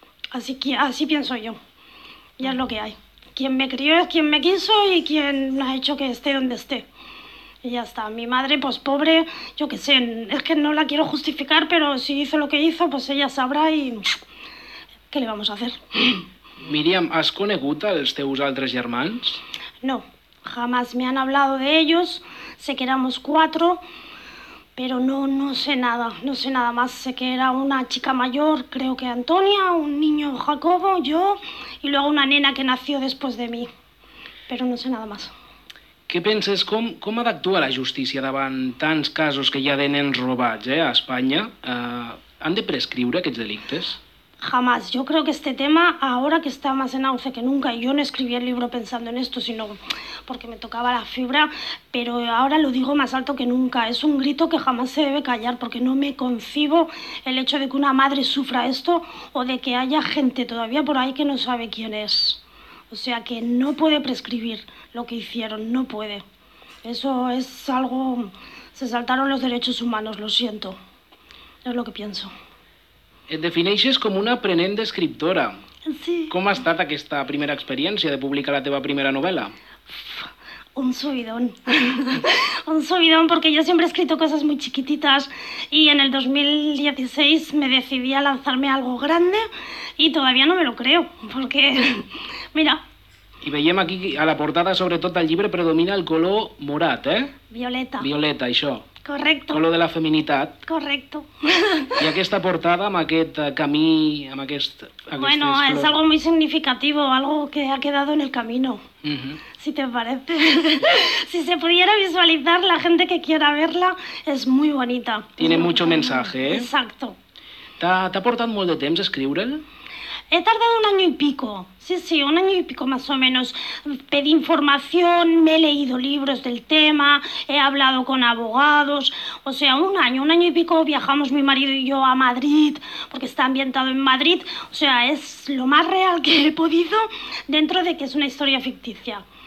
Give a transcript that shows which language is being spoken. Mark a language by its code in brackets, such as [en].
[es] Así que así pienso yo. Y es lo que hay. Quien me crió es quien me quiso y quien ha hecho que esté donde esté. Y ya está, mi madre, pues pobre, yo qué sé, es que no la quiero justificar, pero si hizo lo que hizo, pues ella sabrá y ¿qué le vamos a hacer? [ca] Míriam, ¿has conegut els teus altres germans? [es] No, jamás me han hablado de ellos, sé que éramos 4, pero no sé nada más. Sé que era una chica mayor, creo que Antonia, un niño Jacobo, yo, y luego una nena que nació después de mí, pero no sé nada más. [ca] Què penses, com ha d'actuar la justícia davant tants casos que hi ha de nens robats a Espanya? Han de prescriure aquests delictes? [es] Jamás. Yo creo que este tema, ahora que está más en auge que nunca, yo no escribí el libro pensando en esto, sino porque me tocaba la fibra, pero ahora lo digo más alto que nunca. Es un grito que jamás se debe callar, porque no me concibo el hecho de que una madre sufra esto o de que haya gente todavía por ahí que no sabe quién es. O sea que no puede prescribir lo que hicieron, no puede. Eso es algo... Se saltaron los derechos humanos, lo siento. Es lo que pienso. [ca] Et defineixes com una aprenent d'escriptora. [es] Sí. [ca] Com ha estat aquesta primera experiència de publicar la teva primera novel·la? [es] Un subidón. Un subidón porque yo siempre he escrito cosas muy chiquititas y en el 2016 me decidí a lanzarme a algo grande y todavía no me lo creo porque, mira... [ca] I veiem aquí a la portada, sobretot al llibre, predomina el color morat, eh? [es] Violeta. [ca] Violeta, això. [es] Correcto. [ca] Color de la feminitat. [es] Correcto. [ca] I aquesta portada amb aquest camí, amb aquest... [es] Bueno, es algo muy significativo, algo que ha quedado en el camino. Si te parece. Si se pudiera visualizar, la gente que quiera verla es muy bonita. Tiene mucho mensaje, ¿eh? Exacto. [ca] ¿T'ha portat molt de temps escriure'l? [es] He tardado un año y pico, sí, un año y pico más o menos. Pedí información, me he leído libros del tema, he hablado con abogados, o sea, un año y pico viajamos mi marido y yo a Madrid, porque está ambientado en Madrid, o sea, es lo más real que he podido dentro de que es una historia ficticia.